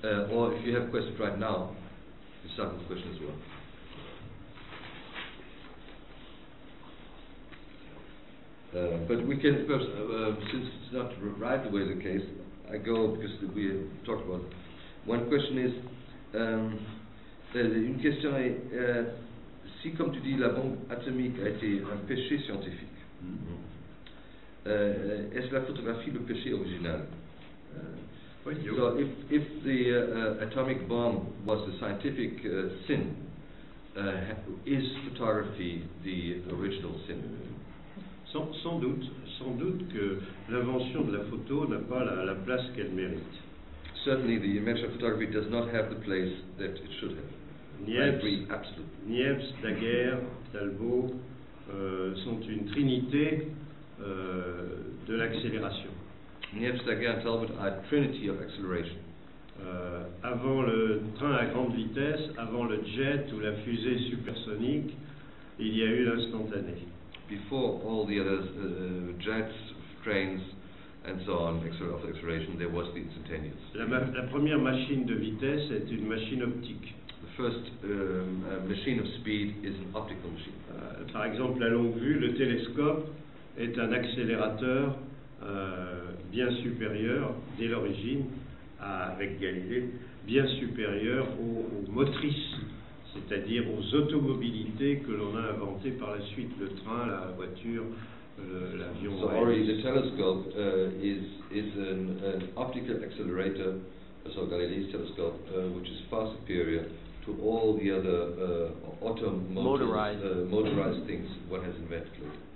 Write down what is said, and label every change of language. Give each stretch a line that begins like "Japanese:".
English: Or if you have questions right now, you start with questions as well. But we can first, since it's not right away the case, I go because we talked about it. One question is,
French: une question est, si comme tu dis la bombe atomique a été un péché scientifique, est-ce la photographie le péché original?
English: So if the atomic bomb was a scientific sin, is photography the original sin?
French: Sans doute que l'invention de la photo n'a pas la place qu'elle mérite.
English: Certainly, the image of photography does not have the place that it should have.
French: Niépce, Daguerre, Talbot sont une trinité de l'accélération.
English: Niépce, Daguerre, Talbot are a trinity of acceleration.
French: Avant le train à grande vitesse, avant le jet ou la fusée supersonique, il y a eu l'instantané.
English: Before all the other jets, trains, and so on, of acceleration, there was the instantaneous.
French: La première machine de vitesse est une machine optique.
English: The first machine of speed is an optical machine.
French: Par exemple, la longue vue, le télescope, est un accélérateur bien supérieur, dès l'origine, avec Galilée, bien supérieur aux motrices. C'est-à-dire aux automobilités que l'on a inventées par la suite, le train, la voiture, l'avion.
English: So already the telescope is an optical accelerator, so Galileo's telescope, which is far superior to all the other motorized things one has invented.